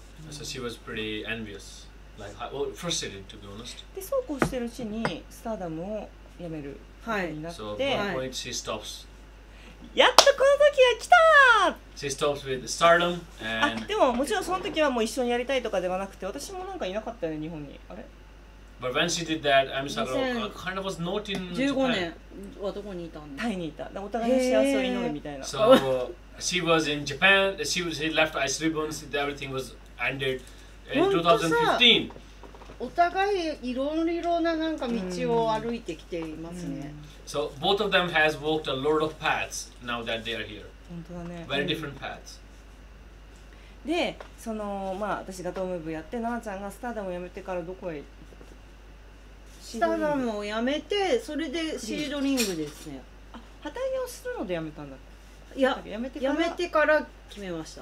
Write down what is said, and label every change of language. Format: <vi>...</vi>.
<en>So she was pretty envious, like well, frustrated to be honest.</en> <ja>でそうこうしてるうちにスターダムを辞めるようになって。</ja> <en>So one point she stops.</en> <ja>やっとこの時が来た。</ja> <en>She stops with stardom and</en> <ja>でももちろんその時はもう一緒にやりたいとかではなくて、私もなんかいなかったよね日本に。あれ</ja> <en>？But when she did that, I'm sorry, kind of was not in Japan.</en> <ja>15年はどこにいたの？タイにいた。お互いの幸せを祈るみたいな。</ja> <en>So she was in Japan. She left Ice Ribbons. Everything was ended in 2015.</en> <ja>お互いいろいろな なんか道を歩いてきていますね。</ja> <en>So both of them has walked a lot of paths now that they are here.</en> <ja>本当だね。</ja> <en>Very different paths.</en> <ja>で、そのまあ私がドーム部やって、奈々ちゃんがスターダムを辞めてからどこへ？スターダムを辞めて、それでシードリングですね。旗揚げをするので辞めたんだっけ？いや、辞めてから。辞めてから決めました。</ja>